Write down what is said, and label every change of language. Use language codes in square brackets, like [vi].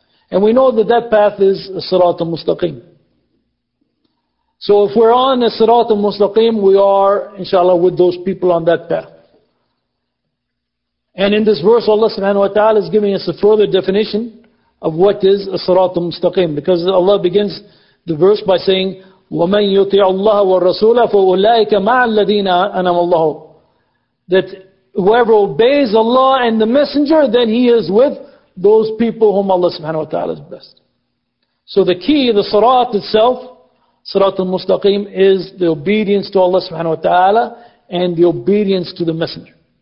[en] And we know that path is as-sirat al-mustaqim. So if we're on a sirat al-mustaqim, we are, inshallah, with those people on that path. And in this verse, Allah subhanahu wa ta'ala is giving us a further definition of what is a sirat al-mustaqim. Because Allah begins the verse by saying, [ar] وَمَنْ يُطِعُ اللَّهَ وَالرَّسُولَ فَأُولَٰئِكَ مَعَ الَّذِينَ أَنَمَ اللَّهُ. [en] That whoever obeys Allah and the Messenger, then he is with those people whom Allah subhanahu wa ta'ala is best. So the key, the sirat itself, Sirat al-Mustaqim, is the obedience to Allah subhanahu wa ta'ala and the obedience to the Messenger.